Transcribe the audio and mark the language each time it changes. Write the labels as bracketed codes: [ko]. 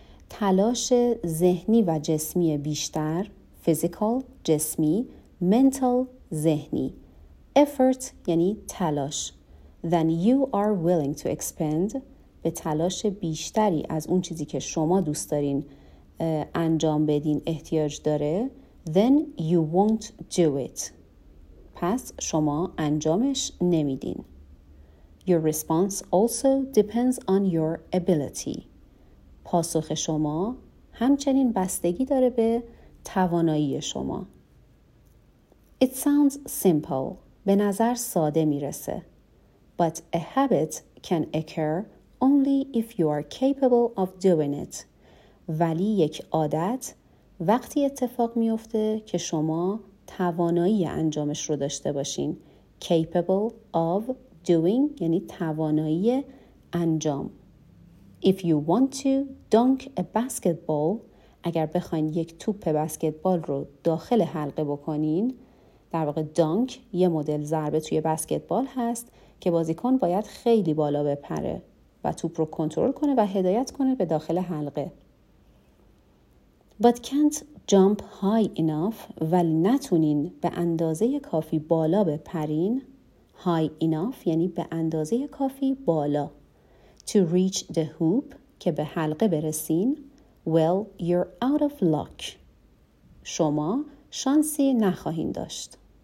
[fa] تلاش ذهنی و جسمی بیشتر، physical جسمی، mental ذهنی، effort یعنی تلاش، [en] than you are willing to expend، [fa] به تلاش بیشتری از اون چیزی که شما دوست دارین انجام بدین احتیاج داره، [en] then you won't do it، [fa] پس شما انجامش نمیدین. [en] Your response also depends on your ability. [fa] پاسخ شما همچنین بستگی داره به توانایی شما. [en] It sounds simple. [fa] به نظر ساده میرسه. [en] But a habit can occur only if you are capable of doing it. [fa] ولی یک عادت وقتی اتفاق میفته که شما توانایی انجامش رو داشته باشین. [en] Capable of doing [fa] یعنی توانایی انجام. [en] If you want to dunk a basketball، [fa] اگر بخواین یک توپ بسکتبال رو داخل حلقه بکنین، در واقع dunk یه مدل ضربه توی بسکتبال هست که بازیکن باید خیلی بالا بپره و توپ رو کنترل کنه و هدایت کنه به داخل حلقه. [en] But can't jump high enough، [fa] ولی نتونین به اندازه کافی بالا بپرین. [en] High enough [fa] یعنی به اندازه کافی بالا. [en] To reach the hoop [fa] که به حلقه برسین. [en] Well, you're out of luck. [fa] شما شانسی نخواهین داشت.